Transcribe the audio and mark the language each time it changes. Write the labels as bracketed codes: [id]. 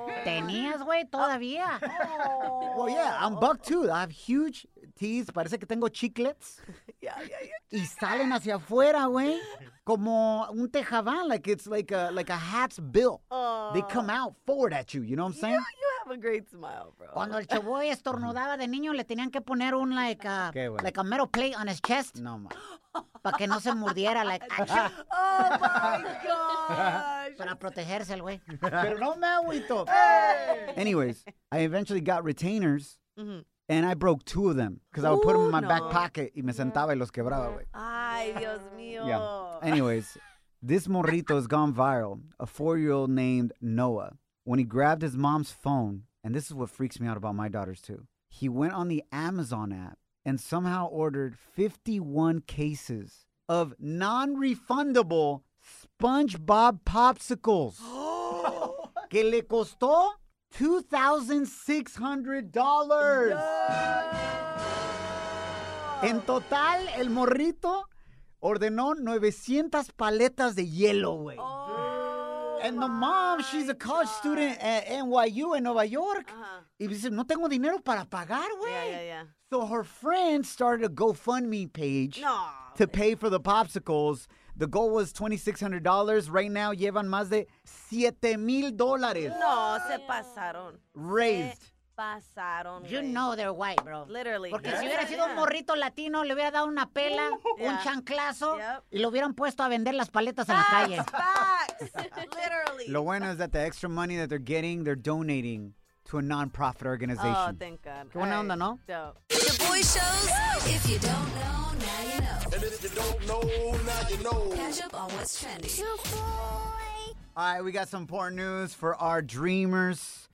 [es] Tenías, güey, todavía. [en] Well, yeah, I'm buck tooth. I have huge teeth. [es] Parece que tengo chiclets. [en] Yeah. [es] Y salen hacia afuera, güey. Como un tejaban. [en] Like it's like a hat's bill. Oh. They come out forward at you. You know what I'm saying? You have a great smile, bro. [es] Cuando el chavoy estornudaba de niño, le tenían que poner un [en] like a metal plate on his chest. No, man. [es] Para que no se mordiera, like. [en] Action. Oh, my God. [es] Para protegerse el güey. Pero no me agüito. [en] Anyways, I eventually got retainers, and I broke two of them because I would put them in my back pocket [es] y me sentaba y los quebraba, güey. Ay, Dios mío. [en] Yeah. Anyways, this morrito has gone viral, a four-year-old named Noah, when he grabbed his mom's phone, and this is what freaks me out about my daughters too. He went on the Amazon app and somehow ordered 51 cases of non-refundable SpongeBob popsicles. [es] Que le costó $2,600. En total, el morrito ordenó 900 paletas de hielo, güey. [en] And the mom, she's a college student at NYU in Nueva York. Uh-huh. [es] Y dice, no tengo dinero para pagar, güey. [en] Yeah. So her friend started a GoFundMe page to pay for the popsicles. The goal was $2,600. Right now, [es] llevan más de $7,000. No, se pasaron. [en] Raised. [es] Se pasaron. [en] You know they're white, bro. Literally. [es] Porque si hubiera sido un morrito latino, le hubiera dado una pela, un chanclazo, y lo hubieran puesto a vender las paletas en la calle. [en] Facts. Literally. [es] Lo bueno es [en] that the extra money that they're getting, they're donating to a non-profit organization. Oh, thank God. [es] Qué buena onda, ¿no? [en] Dope. The boy shows. If you don't know, now you know. And if you don't know, now you know. Catch up on what's trending. All right, we got some important news for our dreamers.